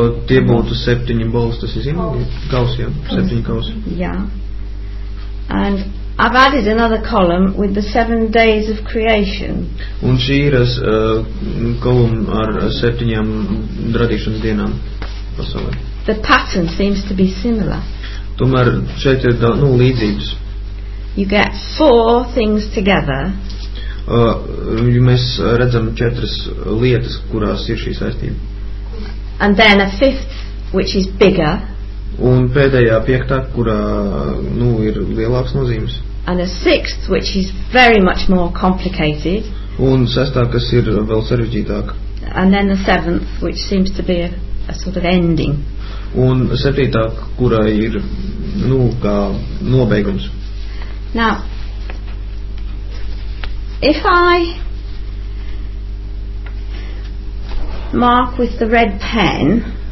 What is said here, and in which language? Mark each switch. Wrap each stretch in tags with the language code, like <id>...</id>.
<lv>Tie būtu septiņi bowls, tas ir zināmi, kausi, jā, septiņi kausi. Jā.</lv> <en>And I've added another column with the seven days of creation.</en> <lv>Un šī ir kolumna ar septiņām radīšanas dienām pasaulē.</lv> <en>The pattern seems to be similar.</en> <lv>Tomēr šeit ir nu, līdzības.</lv> <en>You get four things together.</en> <lv>Mēs redzam četras lietas, kurās ir šī saistība.</lv> <en>And then a fifth, which is bigger.</en> <lv>Un pēdējā piektā, kurā nu, ir lielāks nozīmes.</lv> <en>And a sixth, which is very much more complicated.</en> <lv>Un sestā, kas ir vēl sarežģītāka.</lv> <en>And then the seventh, which seems to be a sort of ending.</en> <lv>Un septītā, kurai ir, nu, kā nobeigums.</lv> <en>Now, if I mark with the red pen,</en>